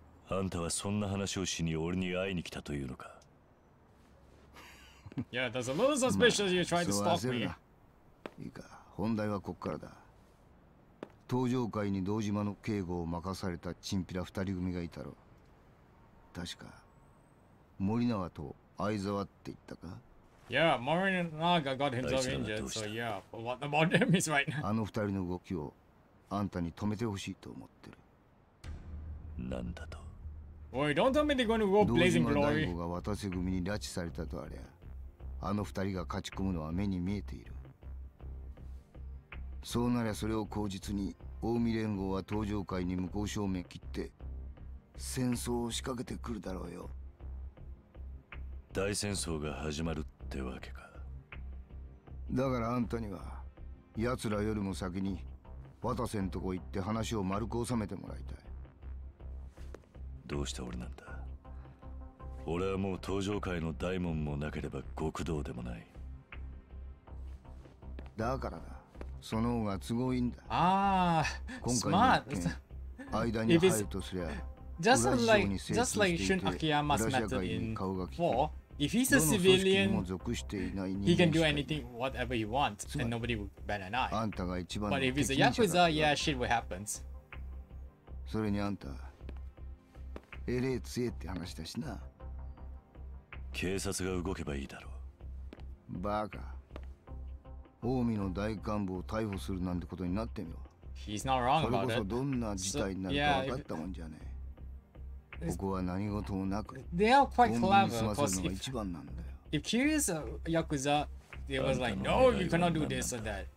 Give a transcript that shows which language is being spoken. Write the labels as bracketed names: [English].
[Japanese] あんたはそんな話をしに俺に会いに来たというのか? [English] Yeah, that's a little suspicious you're trying to stop me. [Japanese] いいか、本題はこっからだ。東条会に堂島の警護を任された 2人組がいたろ。確か Morinaga to Aizawa って言ったか? [English] Yeah, Morinaga got himself injured, so yeah, but what about him is right now? [Japanese] あの二人の動きをあんたに止めてほしいと思ってる。なんだと? [English] Oi, don't tell me they're going to go blazing glory. [Japanese] 堂島大吾が渡瀬組に拉致されたとあれや。あの二人が勝ち込むのは目に見えている。そうなりゃそれを口実に大見連合は登場会に向こう正面切って戦争を仕掛けてくるだろうよ。大戦争が始まるってわけか。だからあんたには奴らよりも先に渡瀬んとこ行って話を丸く収めてもらいたい。どうして俺なんだ。俺はもう登場会の大門もなければ極道でもない。だからだ。その方が都合いいんだ。ああ、今回の一件、間に入るとすりゃ、 [English] just like just like Shun Akiyama's method in war. If he's a civilian, he can do anything whatever he wants, and nobody would bat an eye. [Japanese] あんたが一番。 [English] But if he's a yakuza, yeah, shit will happen. [Japanese] それにあんた、えれえ強いって話だしな。警察が動けばいいだろう。バカ。オウミの大幹部を逮捕するなんてことになってみろ。 [English] He's not wrong about it. [Japanese] それこそどんな事態になるか分かったもんじゃねえ。ここは何事もなく。 [English] They are quite clever, because if Kiryu's a Yakuza, they was like, no, you cannot do this or that.